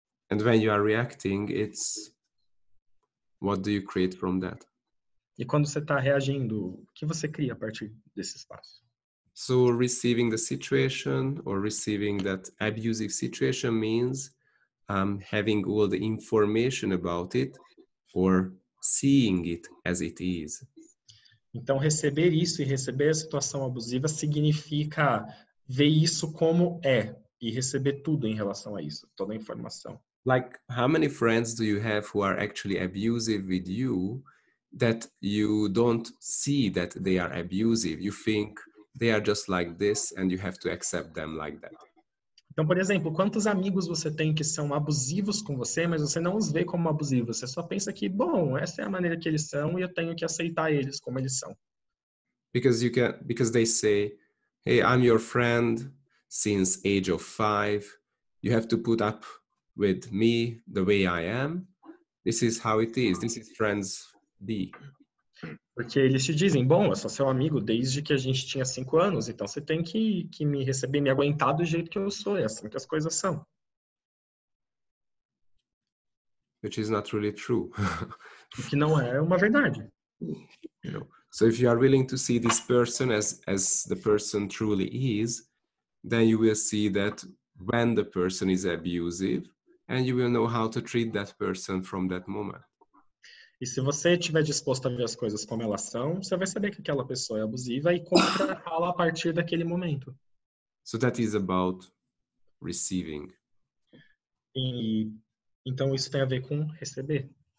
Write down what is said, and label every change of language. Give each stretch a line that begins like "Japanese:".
English: And when you are reacting, it's what do you create from that?
Portuguese: E quando você está reagindo, o que você cria a partir desse espaço?
English: So receiving the situation or receiving that abusive situation means having all the information about it or seeing it as it is.
Portuguese: Então receber isso e receber a situação abusiva significa ver isso como é e receber tudo em relação a isso, toda a informação.
English: Like, how many friends do you have who are actually abusive with you that you don't see that they are abusive? You think they are just like this and you have to accept them like that.
Portuguese: Então, por exemplo, quantos amigos você tem que são abusivos com você, mas você não os vê como abusivos? Você só pensa que, bom, essa é a maneira que eles são e eu tenho que aceitar eles como eles são.
English: Because they say, hey, I'm your friend since age of 5. You have to put up with me the way I am. This is how it is. This is friends be.
Portuguese: Porque eles te dizem, bom, eu sou seu amigo desde que a gente tinha 5 anos, então você tem que me receber, me aguentar do jeito que eu sou, é assim que as coisas são.
English: Which is not really true.
Portuguese: O que não é uma verdade.
English: You know, so if you are willing to see this person as the person truly is, then you will see that when the person is abusive, and you will know how to treat that person from that moment.
Portuguese: E se você estiver disposto a ver as coisas como elas são, você vai saber que aquela pessoa é abusiva e como tratá-la a partir daquele momento.
English: So that is about receiving.
Portuguese: E, então isso tem a ver com receber.